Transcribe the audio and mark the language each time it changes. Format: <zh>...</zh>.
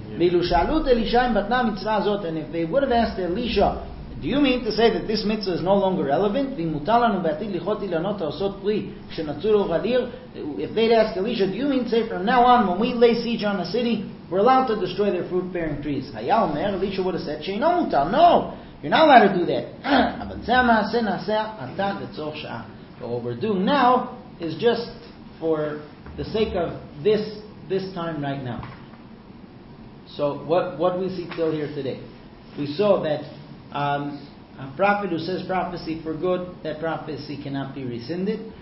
<he>ואילו שאלו את אלישע אם בתנה המצווה הזאת,</he> <en>and if they would have asked אלישע, do you mean to say that this mitzvah is no longer relevant?</en> <he>ואם מותר לנו בעתיד לכות אילנות העושות פרי, כשנצאו לו ולעיר,</he> <en>if they'd ask אלישע, do you mean to say from now on, when we lay siege on a city, we're allowed to destroy their fruit-bearing trees?</en> <he>היה אומר,</he> <en>אלישע would have said,</en> <he>שאינו מותר,</he> <en>no! You're not allowed to do that.</en> <he>אבל זה המעשה נעשה עתה לצורך שעה.</he> <en>But what we're doing now is just for the sake of this time right now. So what do we see till here today? We saw that a prophet who says prophecy for good, that prophecy cannot be rescinded.</en>